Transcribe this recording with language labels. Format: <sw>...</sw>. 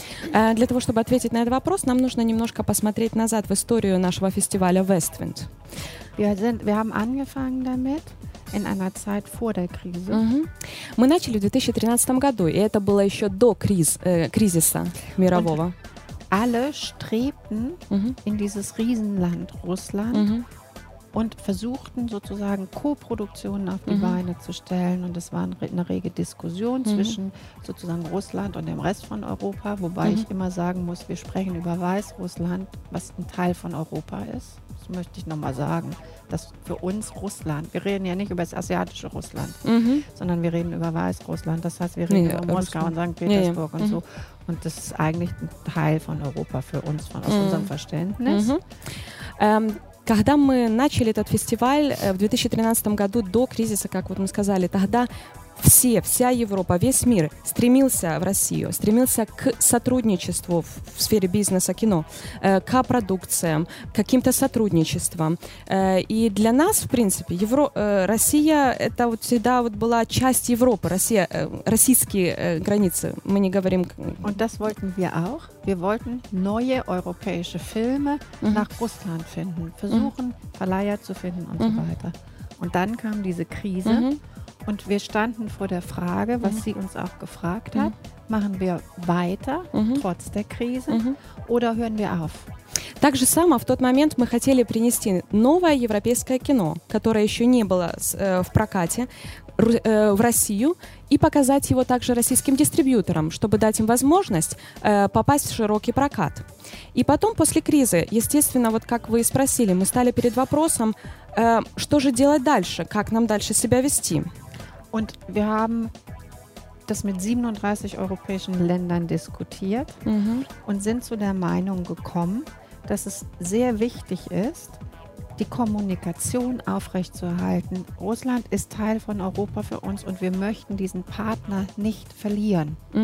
<ru>Для того, чтобы ответить на этот вопрос, нам нужно немножко посмотреть назад в историю нашего фестиваля Westwind.</ru> <de>Wir haben angefangen damit in einer Zeit vor der Krise.</de> <ru>Мы начали в 2013 году, и это было еще до кризиса мирового.</ru> <de>Und alle strebten in dieses Riesenland Russland. Und versuchten sozusagen Co-Produktionen auf die Beine zu stellen. Und es war eine rege Diskussion zwischen sozusagen Russland und dem Rest von Europa. Wobei ich immer sagen muss, wir sprechen über Weißrussland, was ein Teil von Europa ist. Das möchte ich nochmal sagen, dass für uns Russland, wir reden ja nicht über das asiatische Russland, sondern wir reden über Weißrussland. Das heißt, wir reden über Moskau Russland. Und St. Petersburg und so. Und das ist eigentlich ein Teil von Europa für uns, von, aus unserem Verständnis.</de> <ru>Когда мы начали этот фестиваль в 2013 году, до кризиса, как вот мы сказали, тогда все, вся Европа, весь мир стремился в Россию, стремился к сотрудничеству в сфере бизнеса, кино, к продукциям, к каким-то сотрудничествам. И для нас, в принципе, Россия — это вот всегда вот была часть Европы, Россия, российские границы. Мы не говорим...</ru> <de>Und das wollten wir auch. Wir wollten neue europäische Filme nach Russland finden, versuchen, Verleiher zu finden und so weiter. Und dann kam diese Krise. Und wir standen vor der Frage, was sie uns auch gefragt hat, machen wir weiter trotz der Krise oder hören wir auf?</de> <ru>Так же само в тот момент мы хотели принести новое европейское кино, которое еще не было в прокате, в Россию, и показать его также российским дистрибьюторам, чтобы дать им возможность попасть в широкий прокат. И потом, после кризы, естественно, вот как вы и спросили, мы стали перед вопросом, что же делать дальше, как нам дальше себя вести.</ru> <de>Und wir haben das mit 37 europäischen Ländern diskutiert und sind zu der Meinung gekommen, dass es sehr wichtig ist, die Kommunikation aufrechtzuerhalten. Russland ist Teil von Europa für uns und wir möchten diesen Partner nicht verlieren.</de>